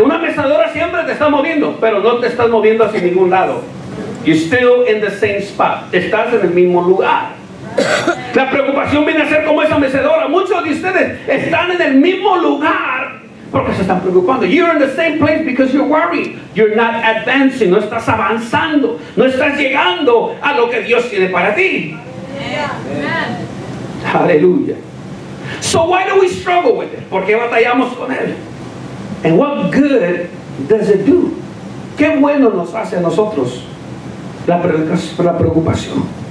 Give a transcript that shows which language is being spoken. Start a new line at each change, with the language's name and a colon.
Spanish: Una mecedora siempre te está moviendo, pero no te estás moviendo hacia ningún lado.
English: You're still in the same spot.
Spanish: Estás en el mismo lugar. La preocupación viene a ser como esa mecedora. Muchos de ustedes están en el mismo lugar porque se están preocupando.
English: You're in the same place because you're worried. You're not advancing.
Spanish: No estás avanzando. No estás llegando a lo que Dios tiene para ti.
English: Yeah. Hallelujah. So why do we struggle with it?
Spanish: ¿Por qué batallamos con él?
English: And what good does it do?
Spanish: ¿Qué bueno nos hace a nosotros? La preocupación.